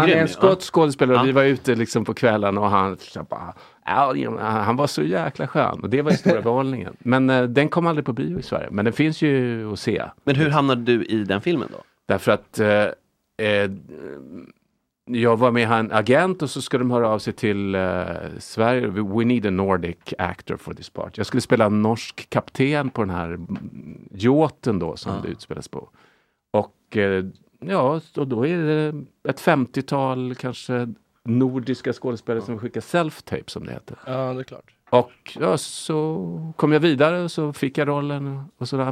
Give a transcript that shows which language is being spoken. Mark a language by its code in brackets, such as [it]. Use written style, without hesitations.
[sv] Han är en skotsk skådespelare. Vi var ute liksom på kvällen och han var så jäkla skön. Och det var ju stora behållningen. Men den kom aldrig på bio i Sverige. Men den finns ju att se. Men hur hamnade du i den filmen då? Därför att... jag var med en agent och så skulle de höra av sig till Sverige. [en] We need a Nordic actor for this part. [sv] Jag skulle spela norsk kapten på den här yachten då som det utspelas på. Och då är det ett 50-tal kanske nordiska skådespelare som skickar self-tape som det heter. Ja, det är klart. Och ja, så kom jag vidare och så fick jag rollen och sådär.